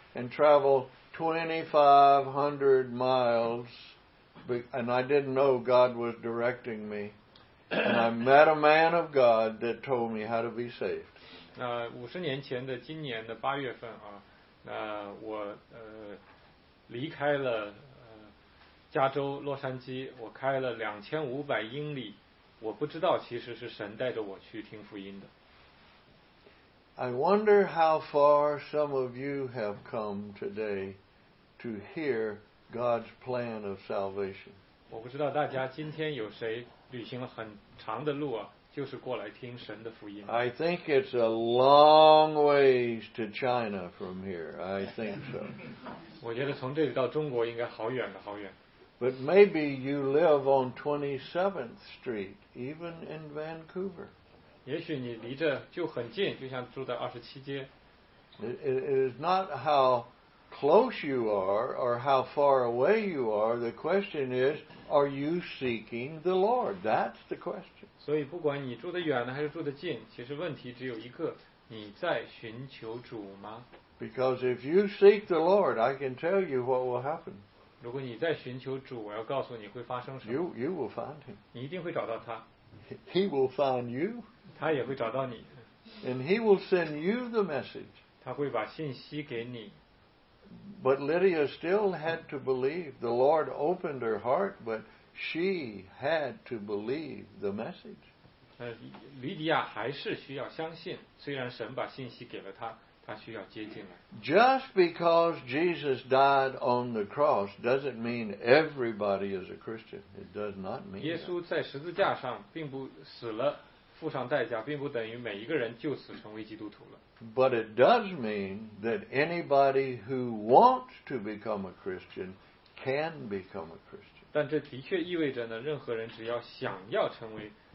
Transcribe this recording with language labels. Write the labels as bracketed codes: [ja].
[en] And travel 2,500 miles, and I didn't know God was directing me. And I met a man of God that told me how to be saved. [zh] 那五十年前的今年的八月份啊，那我离开了加州洛杉矶，我开了2,500英里，我不知道其实是神带着我去听福音的。 [en] I wonder how far some of you have come today to hear God's plan of salvation. [zh] 我不知道大家今天有谁旅行了很长的路啊，就是过来听神的福音。 [en] I think it's a long ways to China from here. I think so. [zh] 我觉得从这里到中国应该好远的，好远。 [en] But maybe you live on 27th Street, even in Vancouver. [zh] 也许你离这就很近，就像住在27街。 [en] It is not how close you are or how far away you are. The question is, are you seeking the Lord? That's the question. [zh] 所以不管你住得远还是住得近，其实问题只有一个：你在寻求主吗 [en] ？Because if you seek the Lord, I can tell you what will happen. [zh] 如果你在寻求主，我要告诉你会发生什么。 [en] You will find him. [zh] 你一定会找到他。 [en] He will find you. [zh] 他也会找到你。 [en] And he will send you the message. [zh] 他会把信息给你。 [en] But Lydia still had to believe. The Lord opened her heart, but she had to believe the message. [zh] 吕底亚还是需要相信，虽然神把信息给了他，他需要接进来。 [en] Just because Jesus died on the cross doesn't mean everybody is a Christian. It does not mean. [zh] 耶稣在十字架上并不死了，付上代价，并不等于每一个人就此成为基督徒了。 [en] But it does mean that anybody who wants to become a Christian can become a Christian. [zh] 但这的确意味着呢，任何人只要想要成为。